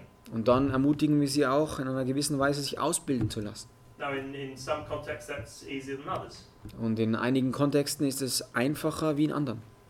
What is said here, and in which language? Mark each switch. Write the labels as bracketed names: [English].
[German] Und dann ermutigen wir sie auch, in einer gewissen Weise sich ausbilden zu lassen. [English] Now in some context that's easier than others. [German] Und in einigen Kontexten ist es einfacher wie in anderen.